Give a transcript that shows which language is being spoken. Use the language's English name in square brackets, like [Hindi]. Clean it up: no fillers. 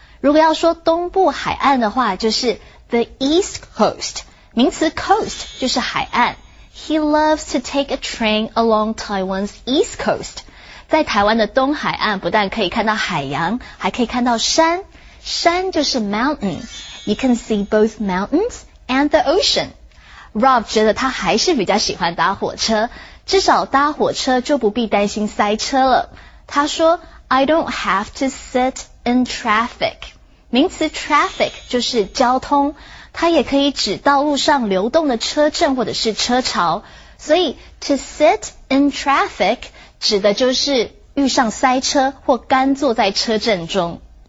[Chinese] 如果要说东部海岸的话，就是 the east coast. 名词 coast 就是海岸。 [English] He loves to take a train along Taiwan's east coast. [Chinese] 在台湾的东海岸不但可以看到海洋，还可以看到山。山就是 mountain. [English] You can see both mountains and the ocean. [Chinese] Rob 觉得他还是比较喜欢搭火车，至少搭火车就不必担心塞车了。他说 [English] I don't have to sit in traffic. [Chinese] 名词 traffic 就是交通，它也可以指道路上流动的车阵或者是车潮。所以 to sit in traffic指的就是遇上塞车或干坐在车阵中。